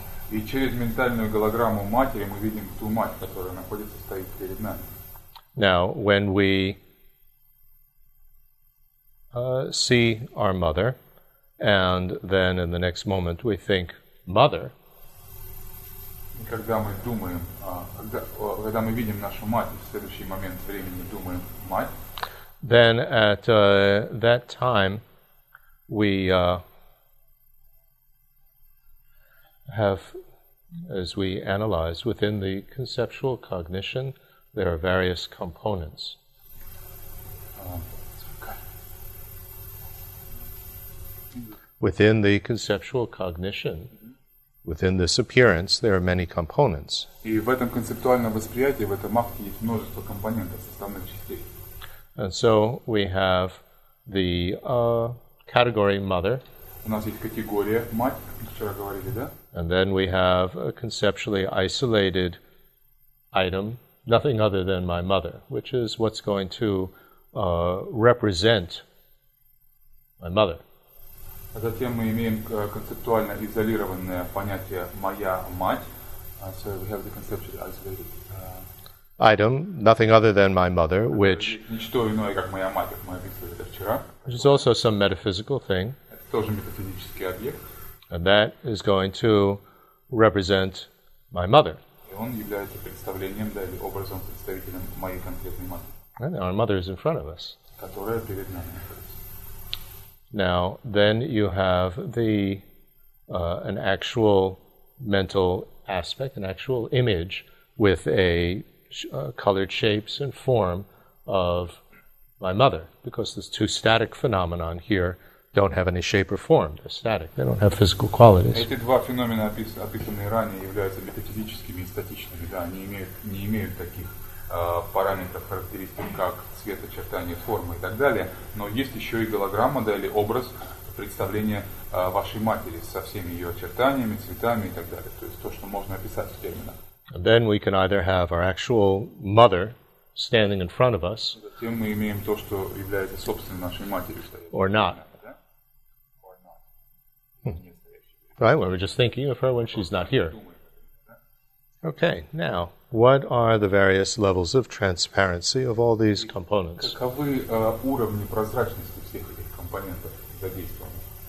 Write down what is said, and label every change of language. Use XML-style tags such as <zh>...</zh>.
<ru>И через ментальную голограмму матери мы видим ту мать, которая находится, стоит перед нами.</ru> <en>Now, when we see our mother, and then in the next moment we think, mother.</en> <ru>Когда мы думаем, когда мы видим нашу мать, в следующий момент времени думаем мать.</ru> <en>Then at that time, we have, as we analyze within the conceptual cognition, there are various components. Within the conceptual cognition, within this appearance, there are many components.</en> <ru>И в этом концептуальном восприятии, в этом акте есть множество компонентов, составных частей.</ru> <en>And so we have the category mother.</en> <ru>У нас есть категория мать, как мы вчера говорили, да?</ru> <en>And then we have a conceptually isolated item, nothing other than my mother, which is what's going to represent my mother.</en> <ru>А затем мы имеем концептуально изолированное понятие «моя мать».</ru> <en>So we have the conceptually isolated item, nothing other than my mother, which</en> <ru>ничто иное, как моя мать, как мы описывали это вчера.</ru> <en>Which is also some metaphysical thing.</en> <ru>Это тоже метафизический объект.</ru> <en>And that is going to represent my mother.</en> <ru>И он является представлением, да, или образом, представителем моей конкретной матери.</ru> <en>And our mother is in front of us.</en> <ru>Которая перед нами.</ru> <en>Now, then you have the an actual mental aspect, an actual image with a colored shapes and form of my mother, because these two static phenomenon here don't have any shape or form. They're static. They don't have physical qualities.</en> <ru>Эти два феномена, описанные ранее, являются метафизическими и статичными. Да, они не имеют таких параметров, характеристик, как цвет, очертания, форма и так далее. Но есть еще и голограмма, да, или образ представления вашей матери со всеми ее очертаниями, цветами и так далее. То есть то, что можно описать в терминах.</ru> <en>And then we can either have our actual mother standing in front of us,</en> <ru>затем мы имеем то, что является собственной нашей матерью,</ru> <en>or not. Right, we're just thinking of her when she's not here. Okay, now, what are the various levels of transparency of all these components?</en> <ru>Каковы уровни прозрачности всех этих компонентов задействованных?</ru>